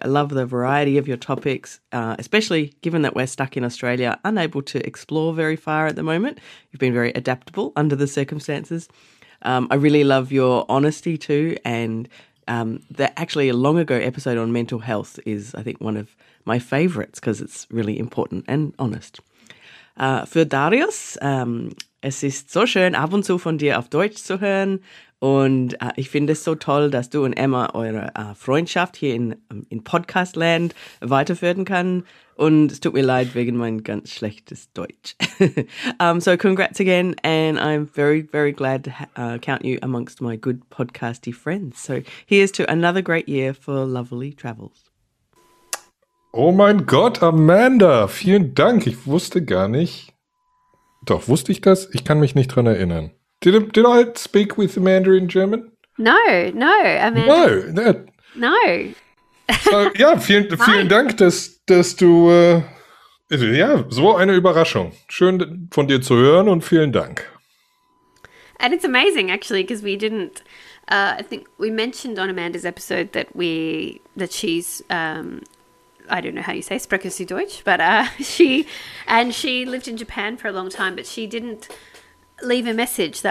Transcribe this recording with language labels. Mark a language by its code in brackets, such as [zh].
[en] I love the variety of your topics, especially given that we're stuck in Australia, unable to explore very far at the moment. You've been very adaptable under the circumstances. I really love your honesty too. And a long ago episode on mental health is, I think, one of my favourites because it's really important and honest. [de] Für Darius, es ist so schön, ab und zu von dir auf Deutsch zu hören. Und ich finde es so toll, dass du und Emma eure Freundschaft hier in Podcastland weiterführen kann. Und es tut mir leid wegen mein ganz schlechtes Deutsch. [en] So congrats again. And I'm very, very glad to count you amongst my good podcasty friends. So here's to another great year for Lovely Travels. [de] Oh mein Gott, Amanda, vielen Dank. Ich wusste gar nicht. Doch, wusste ich das? Ich kann mich nicht dran erinnern. [en] Did I speak with Amanda in German? No, Amanda. No. [de] So, ja, vielen Dank, dass du, ja, so eine Überraschung. Schön, von dir zu hören und vielen Dank. [en] And it's amazing, actually, because we didn't, I think we mentioned on Amanda's episode that she's, I don't know how you say, [de] sprechen Sie Deutsch, [en] but she lived in Japan for a long time, but she didn't leave a message.